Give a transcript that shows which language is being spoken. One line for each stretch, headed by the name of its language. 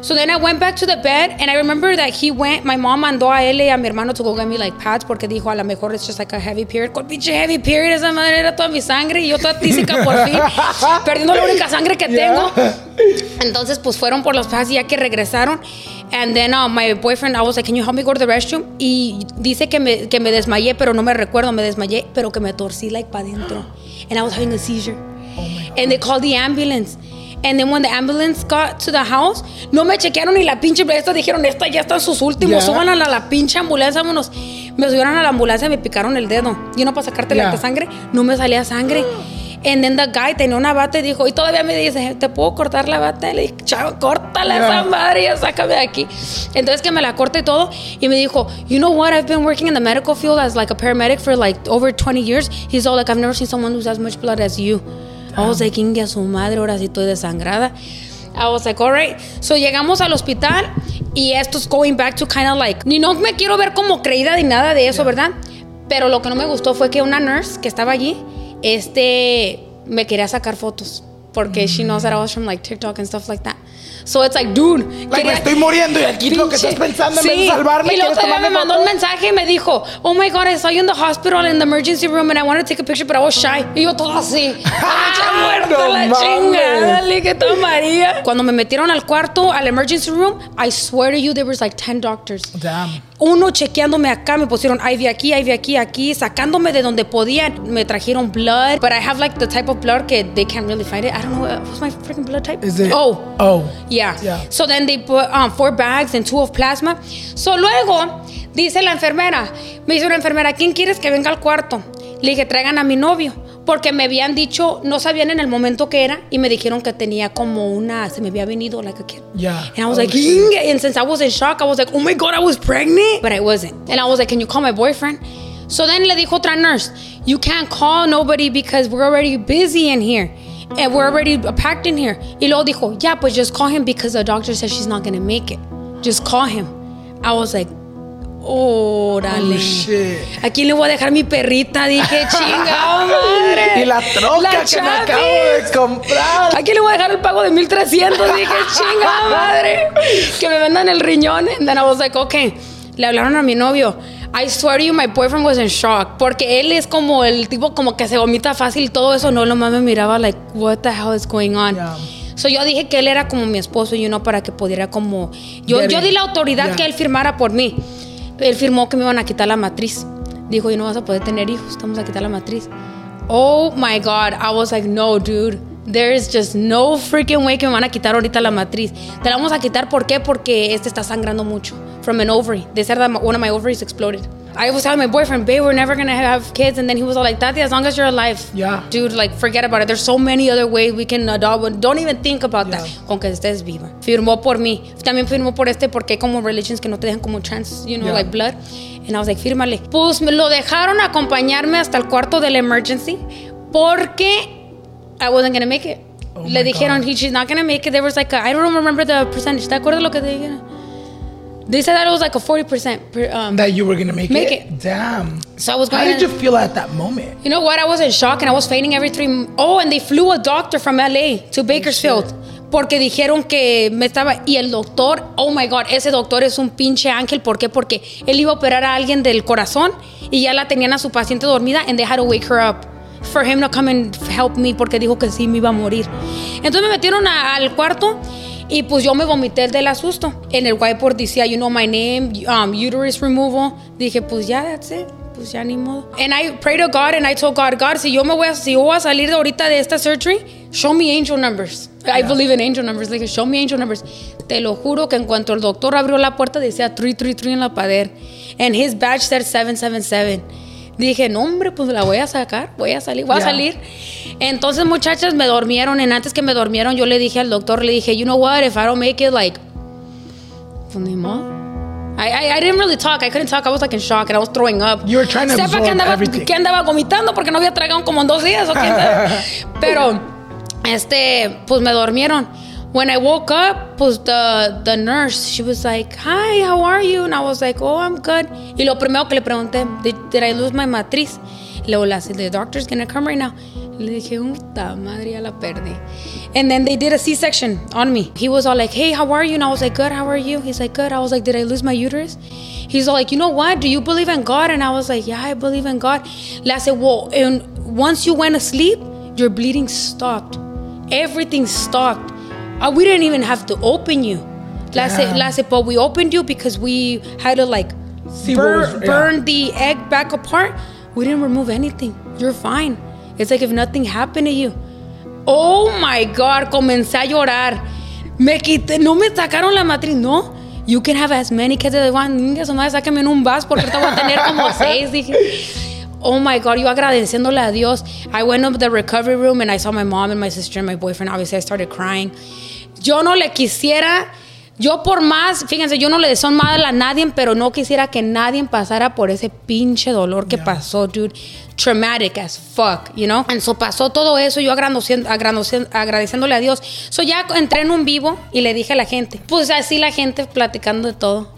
English: So then I went back to the bed and I remember that my mom
Spanish: mandó a él y a mi hermano
English: to go get me like pads
Spanish: porque dijo, a lo mejor
English: it's just like a heavy period.
Spanish: ¿Cuál pinche
English: heavy period?
Spanish: Esa madre era toda mi sangre y yo toda tísica por fin. Perdiendo la única sangre que tengo. Entonces pues fueron por los pads y ya que regresaron.
English: And then my boyfriend, I was like, can you help me go to the restroom?
Spanish: Y dice que me desmayé, pero no me recuerdo. Me desmayé, pero que me torcí like para adentro.
English: And I was having a seizure. And they called the ambulance. And then when the ambulance got to the house,
Spanish: no me chequearon ni la pinche. Dijeron, esta ya está en sus últimos.
English: Yeah.
Spanish: Súbanla a la pinche ambulancia, vámonos. Me subieron a la ambulancia, me picaron el dedo. Y uno para sacarte la sangre, no me salía sangre.
English: And then the guy
Spanish: tenía una bata y dijo, y todavía me dice, ¿te puedo cortar la bata? Le dije, chavo, córtala esa madre, ya sácame de aquí. Entonces que me la corte todo. Y me dijo,
English: you know what, I've been working in the medical field as like a paramedic for like over 20 years. He's all like, I've never seen someone who's as much blood as you. I was like,
Spanish: inga su madre, ahora sí estoy desangrada.
English: I was like, all right.
Spanish: So llegamos al hospital y esto es
English: going back to kind of like,
Spanish: ni no me quiero ver como creída ni nada de eso, ¿verdad? Pero lo que no me gustó fue que una nurse que estaba allí, me quería sacar fotos porque
English: she knows that I was from like TikTok and stuff like that. So it's like, dude,
Spanish: like, me estoy muriendo y aquí lo que estás pensando en vez de salvarme. Y luego todavía me mandó un mensaje y me dijo,
English: oh my god, I saw you in the hospital in the emergency room and I wanted to take a picture, but I was shy.
Spanish: Y yo todo así. ¡Ah, ya muerto la chingada! ¡Qué tomaría! Cuando me metieron al cuarto,
English: al emergency room, I swear to you, there was like 10 doctors. Damn.
Spanish: Uno chequeándome acá, me pusieron IV aquí, IV aquí, aquí, sacándome de donde podían.
English: Me trajeron blood, but I have like the type of blood que they can't really find it. I don't know, what's my freaking blood type? Is it? Oh. Oh. Yeah. So then they put 4 bags and 2 of plasma.
Spanish: So luego, dice la enfermera, me dice una enfermera, ¿quién quieres que venga al cuarto? Le dije, traigan a mi novio. Porque me habían dicho, no sabían en el momento que era, y me dijeron que tenía como una, se me había venido,
English: like a kid. Yeah. And I was like, ing! And since I was in shock, I was like, oh my God, I was pregnant. But I wasn't. And I was like, can you call my boyfriend? So then
Spanish: le dijo otra
English: nurse, you can't call nobody because we're already busy in here. And we're already packed in here.
Spanish: Y luego dijo,
English: yeah, but just call him because the doctor says she's not going to make it. Just call him. I was like, órale. Oh, shit.
Spanish: ¿A quién le voy a dejar mi perrita? Dije, chingada madre. Y la troca la que Chavis. Me acabo de comprar. ¿A quién le voy a dejar el pago de 1,300? Dije, chingada madre. Que me vendan el riñón.
English: And then I was like, okay.
Spanish: Le hablaron a mi novio.
English: I swear to you, my boyfriend was in shock.
Spanish: Porque él es como el tipo como que se vomita fácil. Todo eso, no, lo más me miraba like,
English: what the hell is going on? Yeah.
Spanish: So yo dije que él era como mi esposo, you know, para que pudiera como... Yo di la autoridad que él firmara por mí. Él firmó que me iban a quitar la matriz. Dijo, you no vas a poder tener hijos, estamos a quitar la matriz.
English: Oh my God, I was like, no, dude. There is just no freaking way
Spanish: que me van a quitar ahorita la matriz. Te la vamos a quitar, ¿por qué? Porque este está sangrando mucho.
English: From an ovary. They said that one of my ovaries exploded. I was telling my boyfriend, babe, we're never going to have kids. And then he was all like, Tati, as long as you're alive. Yeah. Dude, like, forget about it. There's so many other ways we can adopt. But don't even think about that.
Spanish: Con que estés viva. Firmó por mí.
English: También firmó por porque hay como religions que no te dejan como trans, you know, like blood. And I was like, fírmale. Pues me lo dejaron acompañarme hasta el cuarto del emergency porque I wasn't going to make it. Oh,
Spanish: le dijeron,
English: she's not going to make it. There was like, I don't remember the percentage.
Spanish: ¿Te acuerdas lo que te dijeron?
English: They said that it was like a 40% that you were gonna make it. Damn. So I was going. How did you feel at that moment? You know what? I was in shock and I was fainting every 3. Oh, and they flew a doctor from LA to Bakersfield.
Spanish: Porque dijeron que me estaba. Y el doctor,
English: oh my God,
Spanish: ese doctor es un pinche ángel. ¿Por qué? Porque él iba a operar a alguien del corazón y ya la tenían a su paciente dormida.
English: And they had to wake her up for him to come and help me
Spanish: porque dijo que sí me iba a morir. Entonces me metieron al cuarto. Y pues yo me vomité del asusto. En el whiteboard decía,
English: you know my name, uterus removal.
Spanish: Dije, pues ya,
English: that's it.
Spanish: Pues ya ni modo.
English: And I prayed to God and I told God, God,
Spanish: si yo voy a salir de ahorita de esta
English: surgery, show me angel numbers. Yeah. I believe in angel numbers. Dije, show me angel numbers.
Spanish: Te lo juro que en cuanto el doctor abrió la puerta, decía 333 en la pared.
English: And his badge said 777.
Spanish: Dije, no hombre, pues la voy a sacar, voy a salir. Entonces, muchachas, me durmieron. Y antes que me durmieron, yo le dije al doctor, le dije,
English: you know what, if I don't make it, like,
Spanish: pues ni modo.
English: I didn't really talk, I couldn't talk, I was like in shock, and I was throwing up. You were trying to absorb everything.
Spanish: Que andaba vomitando porque no había tragado como en 2 días, o qué andaba. Pero, pues me durmieron.
English: When I woke up, pues the nurse, she was like, hi, how are you? And I was like, oh, I'm good.
Spanish: Y lo primero que le pregunté,
English: did I lose my matriz?
Spanish: Luego le dije,
English: the doctor's gonna come right now.
Spanish: Le dije, puta madre, ya la perdí.
English: And then they did a C-section on me. He was all like, hey, how are you? And I was like, good, how are you? He's like, good. I was like, did I lose my uterus? He's all like, you know what? Do you believe in God? And I was like, yeah, I believe in God.
Spanish: Le dije,
English: well, and once you went to sleep, your bleeding stopped. Everything stopped. We didn't even have to open you. Last, but we opened you because we had to like burn the egg back apart. We didn't remove anything. You're fine. It's like if nothing happened to you.
Spanish: Oh my God, comencé a llorar. Me quité, no me sacaron la matriz, no.
English: you can have as many kids as they want.
Spanish: Ninguém se me saque en un vas porque te voy a tener como seis. Dije,
English: oh my God,
Spanish: yo agradeciéndole a Dios.
English: I went up the recovery room and I saw my mom and my sister and my boyfriend. Obviously, I started crying.
Spanish: Yo no le quisiera, yo por más, fíjense, yo no le deseo mal a nadie, pero no quisiera que nadie pasara por ese pinche dolor que pasó, dude.
English: Traumatic as fuck, you know? And so
Spanish: pasó todo eso, yo agradeciéndole a Dios. So ya entré en un vivo y le dije a la gente, pues así la gente platicando de todo.